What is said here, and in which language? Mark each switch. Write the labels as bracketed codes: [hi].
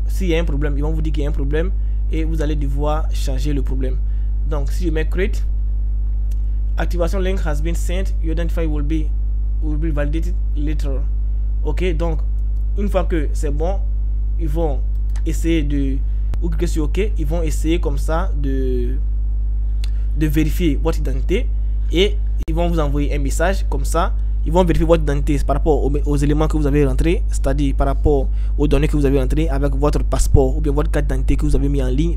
[fr] S'il y a un problème, ils vont vous dire qu'il y a un problème et vous allez devoir changer le problème. Donc, si je mets [en] create, activation link has been sent. Your identify will be validated later. Ok. [fr] Donc, une fois que c'est bon, ils vont essayer de ou cliquer sur OK. Ils vont essayer comme ça de vérifier votre identité. Et ils vont vous envoyer un message comme ça. Ils vont vérifier votre identité par rapport aux éléments que vous avez rentrés, c'est-à-dire par rapport aux données que vous avez rentrées avec votre passeport ou bien votre carte d'identité que vous avez mis en ligne.